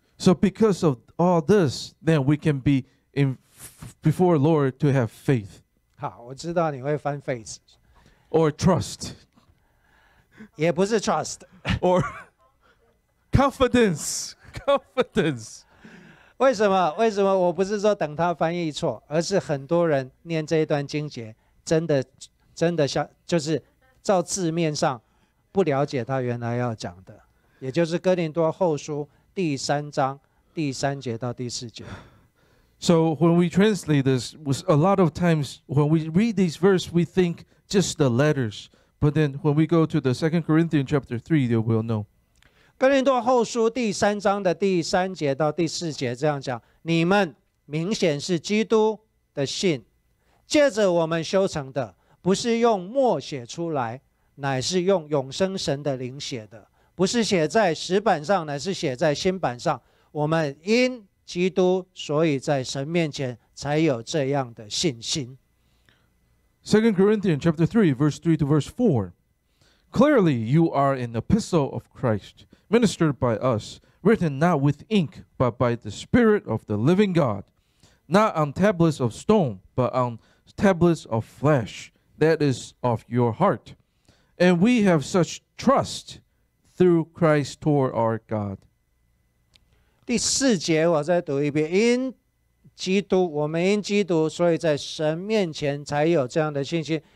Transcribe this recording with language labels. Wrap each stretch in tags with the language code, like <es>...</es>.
<en>So because of all this, then we can be in before Lord to have faith.</en> <zh>好，我知道你会翻 faith.</zh> <en>Or trust.</en> <zh>也不是 trust.</zh> <en>Or confidence. Confidence.</en> <zh>为什么？为什么我不是说等他翻译错，而是很多人念这一段经节，真的像就是照字面上不了解他原来要讲的，也就是哥林多后书第三章第三节到第四节。</zh> <en>So when we translate this, a lot of times when we read these verses, we think just the letters. But then when we go to the 2 Corinthians chapter 3, you will know.</en> <zh>哥林多后书第三章的第三节到第四节这样讲，你们明显是基督的信，借着我们修成的，不是用墨写出来，乃是用永生神的灵写的，不是写在石板上，乃是写在心板上，我们因基督，所以在神面前才有这样的信心。</zh> <en>2 Corinthians chapter 3 verse 3 to verse 4. Clearly you are an epistle of Christ, ministered by us, written not with ink, but by the Spirit of the living God, not on tablets of stone, but on tablets of flesh, that is of your heart. And we have such trust through Christ toward our God.</en> <zh>第四节我再读一遍，因基督，我们因基督，所以在神面前才有这样的信心。</zh>